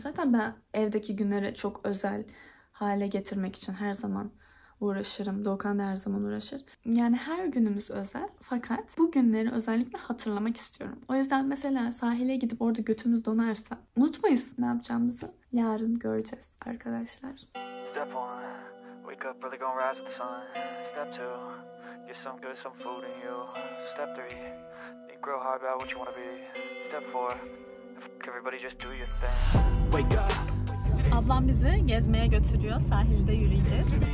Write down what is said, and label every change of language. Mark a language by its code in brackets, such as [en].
[tr] Zaten ben evdeki günleri çok özel hale getirmek için her zaman uğraşırım. Doğukan da her zaman uğraşır. Yani her günümüz özel. Fakat bu günleri özellikle hatırlamak istiyorum. O yüzden mesela sahile gidip orada götümüz donarsa unutmayız ne yapacağımızı. Yarın göreceğiz arkadaşlar. [en] Step 1, wake up early, gonna rise with the sun. Step 2, get some good, some food in you. Step 3, think real hard about what you wanna be. Step 4, everybody just do your thing. Wake up. [tr] Ablam bizi gezmeye götürüyor, sahilde yürüyeceğiz.